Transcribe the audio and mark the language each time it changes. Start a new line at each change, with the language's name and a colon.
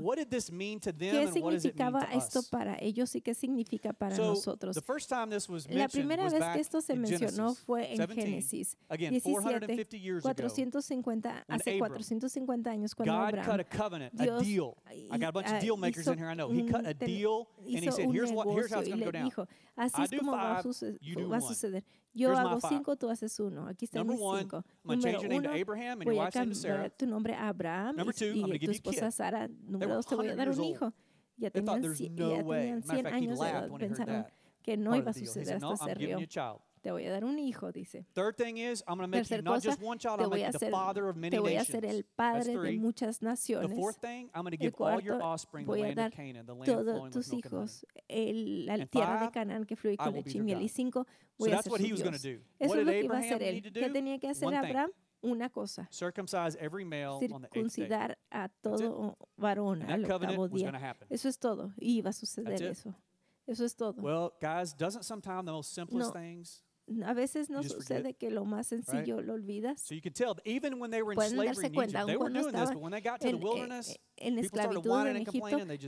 English: What did this mean to them and what does it mean to us?
Spanish: Esto para ellos y qué significa para nosotros?
English: The first time this was mentioned was back in Genesis.
Spanish: No fue en Génesis 17, 450 años cuando Abraham
English: God cut a covenant, Dios, a deal. I got a bunch of deal makers in here, I know. He cut a deal and he said, here's how it's going to go down.
Spanish: Así es como va a suceder. Yo hago cinco, tú haces uno. Aquí están mis cinco. Número uno, voy a cambiar tu nombre a Abraham y tu esposa Sara. Número dos, te voy a dar un hijo. Ya tenían 100 años, pensaron que no iba a suceder hasta ese río. Te voy a dar un hijo, dice.
English: Third thing is, I'm going to make you not just one child, I'm going to make you the father of many nations.
Spanish: Te voy a hacer el padre de muchas naciones.
English: The fourth thing, I'm going to give all your offspring the land of Canaan, the land flowing with milk and honey.
Spanish: La tierra de Canaán que fluye con leche y miel. Y cinco, voy a ser su Dios.
English: He was going to do. What did Abraham need to do?
Spanish: ¿Qué tenía que hacer Abraham? Una cosa.
English: Circumcise every male on the eighth day.
Spanish: Circuncidar a todo varón al octavo día. Eso es todo. Y iba a suceder eso. Eso es todo.
English: Well, guys, doesn't sometimes the most simplest things
Spanish: A veces no sucede que lo más sencillo lo olvidas.
English: So you can tell, even when they were in slavery in Egypt, they were doing this, but when they got to the wilderness, people started whining and complaining.